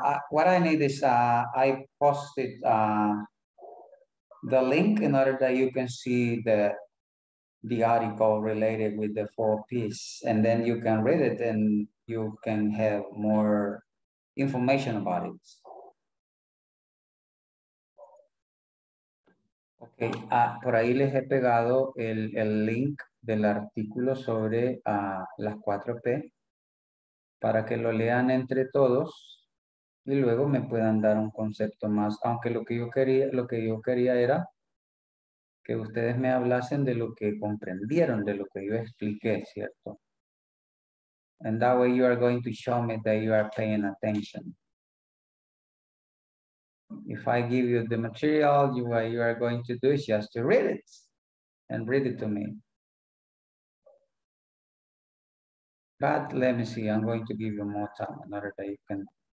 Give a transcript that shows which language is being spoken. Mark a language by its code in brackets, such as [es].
[en] What I need is I posted the link in order that you can see the article related with the four piece, and then you can read it and you can have more information about it. [es] Okay, por ahí les he pegado el link del artículo sobre las 4P para que lo lean entre todos y luego me puedan dar un concepto más. Aunque lo que yo quería era que ustedes me hablasen de lo que comprendieron, de lo que yo expliqué, ¿cierto? [en] And that way you are going to show me that you are paying attention. If I give you the material, what you are going to do is just to read it and read it to me. But let me see, I'm going to give you more time in order that you can.